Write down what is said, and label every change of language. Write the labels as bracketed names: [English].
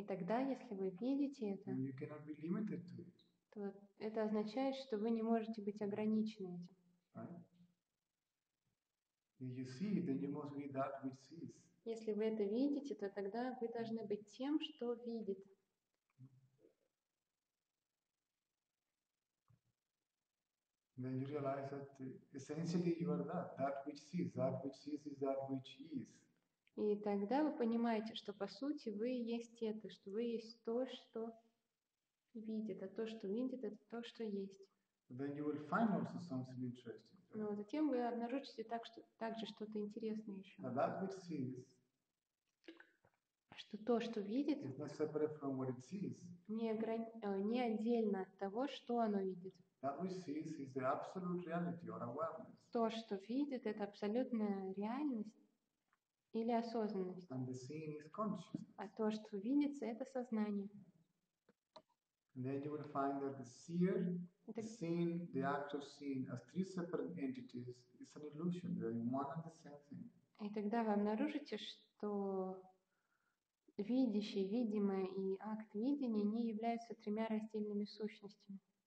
[Russian] и тогда, если вы видите это, [English] then you cannot be limited to it. [Russian] То это означает, что вы не можете быть ограничены этим. [English] Right. You see, then you must be that which sees. [Russian] Если вы это видите, то тогда вы должны быть тем, что видит. [English] Then you realize that essentially you are that, that which sees. That which sees is that which is. [Russian] И тогда вы понимаете, что по сути вы есть это, что вы есть то, что видит, а то, что видит, это то, что есть. [English] Then you will find also something interesting. [Russian] Но затем вы обнаружите также что-то интересное еще. [English] Now that which sees, [Russian] что то, что видит, [English] is not separate from what it sees. [Russian] Не отдельно от того, что оно видит. [English] That which sees is the absolute reality or awareness. [Russian] То, что видит, это абсолютная реальность или осознанность. [English] And the seeing is consciousness. [Russian] А то, что видится, это сознание. [English] And then you will find that the seer, the seen, the act of seeing as three separate entities is an illusion. They are one and the same thing. [Russian] И тогда вы обнаружите, что видящий, видимое и акт видения не являются тремя раздельными сущностями.